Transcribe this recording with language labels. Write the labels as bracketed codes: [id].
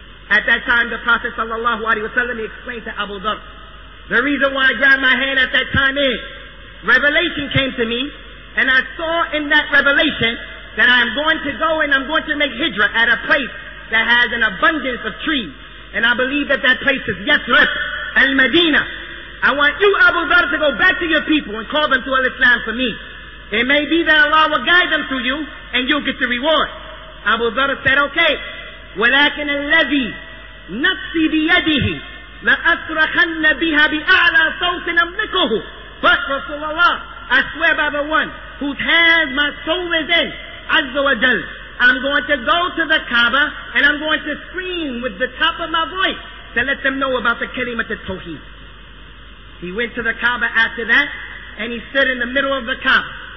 [en] At that time, the Prophet sallallahu alaihi wasallam explained to Abu Dhar, the reason why I grabbed my hand at that time is, revelation came to me, and I saw in that revelation that I'm going to go and I'm going to make hijrah at a place that has an abundance of trees. And I believe that that place is Yathrib, Al-Madina. I want you, Abu Dhar, to go back to your people and call them to Al-Islam for me. It may be that Allah will guide them to you, and you'll get the reward. Abu Dhar said, okay, [ar] وَلَكِنَ الَّذِي نَفْسِ بِيَدِهِ لَأَصْرَخَنَّ بِهَا بِأَعْلَى صَوْتٍ أَمْلِكُهُ. [en] But Rasulullah, I swear by the one whose hands my soul is in, [ar] عز وجل, [en] I'm going to go to the Kaaba and I'm going to scream with the top of my voice to let them know about the Kalimat al-Tawheed. He went to the Kaaba after that and he stood in the middle of the Kaaba.